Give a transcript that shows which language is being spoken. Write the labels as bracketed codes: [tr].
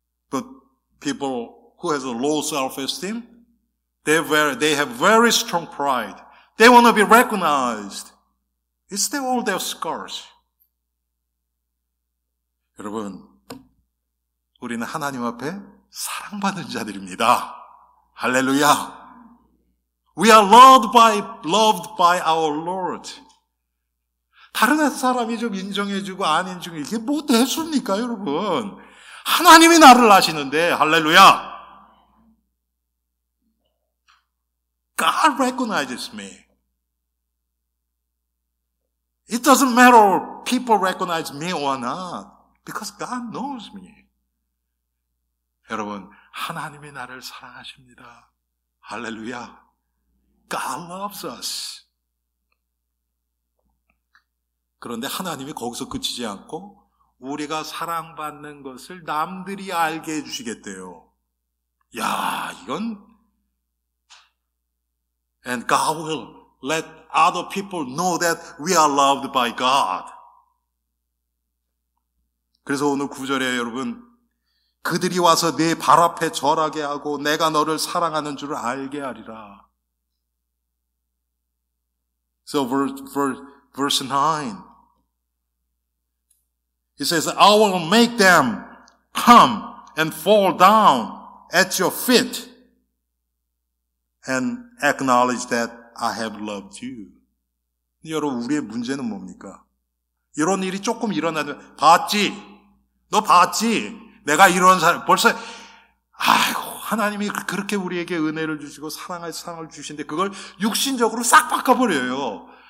[en] But people who has a low self-esteem, they have very strong pride. They want to be recognized. It's all their scars. [ko] 여러분, 우리는 하나님 앞에 사랑받은 자들입니다. 할렐루야. [en] We are loved by our Lord. [ko] 다른 사람이 좀 인정해주고 안 인정해 이게 뭐 대수입니까, 여러분? 하나님이 나를 아시는데, 할렐루야. [en] God recognizes me. It doesn't matter if people recognize me or not, because God knows me. [ko] 여러분, 하나님이 나를 사랑하십니다. [en] 할렐루야. God loves us. [ko] 그런데 하나님이 거기서 그치지 않고 우리가 사랑받는 것을 남들이 알게 해주시겠대요. 야, 이건 [en] And God will let other people know that we are loved by God. [ko] 그래서 오늘 구절에 여러분 그들이 와서 내 발 앞에 절하게 하고 내가 너를 사랑하는 줄 알게 하리라. [en] So verse 9. He says, I will make them come and fall down at your feet and acknowledge that I have loved you. [ko] 여러분, 우리의 문제는 뭡니까? 이런 일이 조금 일어나면, 봤지? 너 봤지? 내가 이런 사람, 벌써, 아이고, 하나님이 그렇게 우리에게 은혜를 주시고 사랑할 사랑을 주시는데 그걸 육신적으로 싹 바꿔버려요.